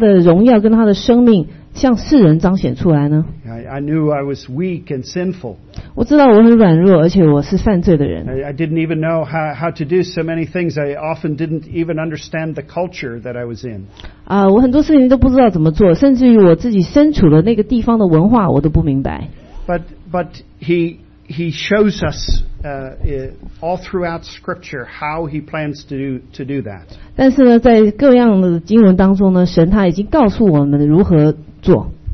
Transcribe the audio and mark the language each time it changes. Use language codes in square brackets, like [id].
[zh] 神如何透过我把他的荣耀跟他的生命向世人彰显出来呢？ [en] I knew I was weak and sinful. [zh] 我知道我很软弱，而且我是犯罪的人。 [en] I didn't even know how to do so many things. I often didn't even understand the culture that I was in. [zh] 我很多事情都不知道怎么做，甚至于我自己身处的那个地方的文化，我都不明白。 [en] But he shows us all throughout Scripture how he plans to do that. [zh] 但是呢，在各样的经文当中呢，神他已经告诉我们如何做。